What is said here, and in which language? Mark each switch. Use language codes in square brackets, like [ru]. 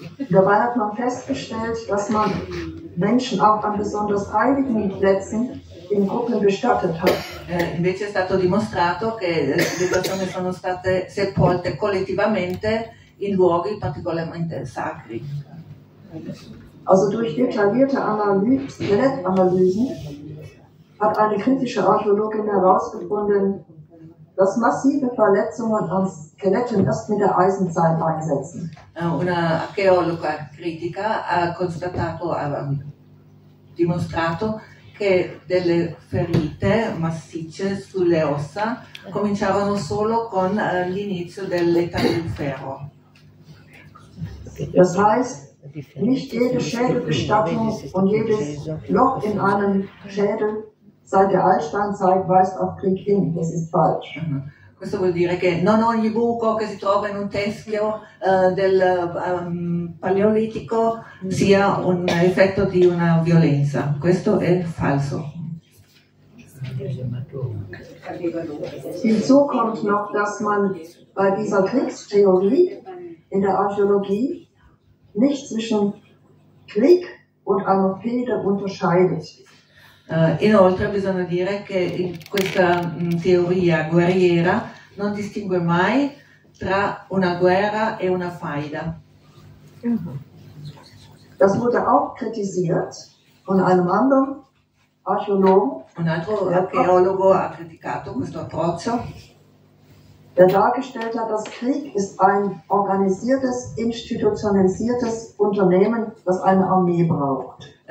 [de] Dabei hat man festgestellt, dass man Menschen auch an besonders heiligen Plätzen in Gruppen bestattet hat. [it] Invece è stato dimostrato che le persone sono state sepolte collettivamente in luoghi particolarmente sacri. [de] Also durch detaillierte Skelettanalysen hat eine kritische Archäologin herausgefunden, dass massive Verletzungen an Skeletten erst mit der Eisenzeit einsetzen. [it] Una archeologa critica ha constatato, ha dimostrato che delle ferite massicce sulle ossa cominciavano solo con l'inizio dell'età del ferro. [de] Das heißt, nicht jede Schädelbestattung und jedes Loch in einem Schädel seit der Altsteinzeit weist auf Krieg hin. Das ist falsch. [it] Questo vuol dire che non ogni buco che si trova in un teschio del paleolitico sia un effetto di una violenza. Questo è falso. [de] Hinzu kommt noch, dass man bei dieser Kriegstheorie in der Archäologie nicht zwischen Krieg und Anophele unterscheidet. [it] Inoltre bisogna dire che questa teoria guerriera non distingue mai tra una guerra e una faida. [de] Das wurde auch kritisiert von einem anderen Archäologen. [it] Un altro archeologo ha criticato questo approccio. [de] Der dargestellt hat, dass Krieg ist ein organisiertes, institutionalisiertes Unternehmen, das eine Armee braucht.